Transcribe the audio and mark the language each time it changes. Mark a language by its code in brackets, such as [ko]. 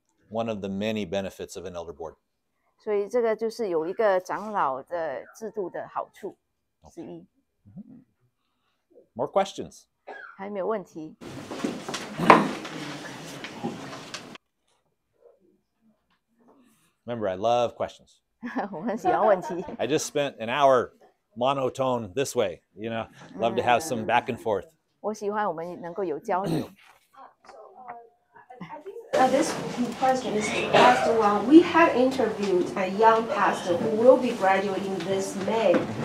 [en] One of the many benefits of an elder board. [zh] 所以这个就是有一个长老的制度的好处之一。 [en] More questions? [zh] 还没有问题。 [en] Remember, I love questions. [zh] 我很喜欢问题。 [en] I just spent an hour monotone this way, you know, love to have some back and forth. [zh] 我喜欢我们能够有交流。 [en] This question is to Pastor Wang. We have interviewed a young pastor who will be graduating this May.